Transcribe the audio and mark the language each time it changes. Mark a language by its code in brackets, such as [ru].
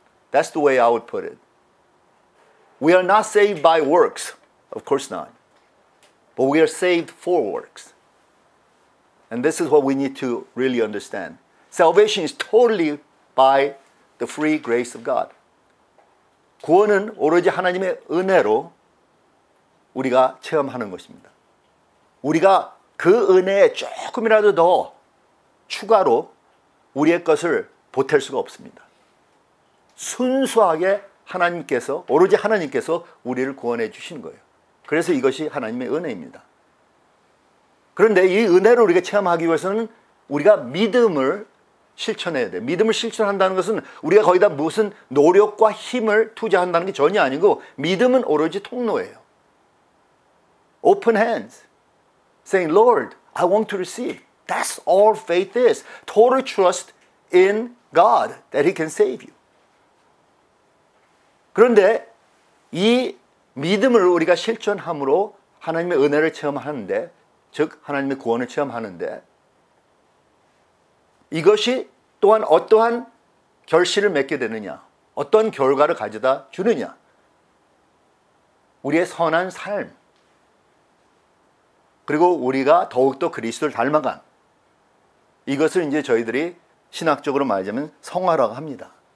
[en] That's the way I would put it. We are not saved by works, of course not, but we are saved for works. And this is what we need to really understand. Salvation is totally by the free grace of God. [ko] 구원은 오로지 하나님의 은혜로 우리가 체험하는 것입니다. 우리가 그 은혜에 조금이라도 더 추가로 우리의 것을 보탤 수가 없습니다. 순수하게 하나님께서, 오로지 하나님께서 우리를 구원해 주신 거예요. 그래서 이것이 하나님의 은혜입니다. 그런데 이 은혜를 우리가 체험하기 위해서는 우리가 믿음을 실천해야 돼요. 믿음을 실천한다는 것은 우리가 거기다 무슨 노력과 힘을 투자한다는 게 전혀 아니고 믿음은 오로지 통로예요. [en] Open hands, saying, Lord, I want to receive. That's all faith is. Total trust in God that he can save you. [ko] 그런데 이 믿음을 우리가 실천함으로 하나님의 은혜를 체험하는데, 즉 하나님의 구원을 체험하는데 이것이 또한 어떠한 결실을 맺게 되느냐, 어떤 결과를 가져다 주느냐, 우리의 선한 삶, 그리고 우리가 더욱더 그리스도를 닮아간 이것을 이제 저희들이 신학적으로 말하자면 성화라고 합니다.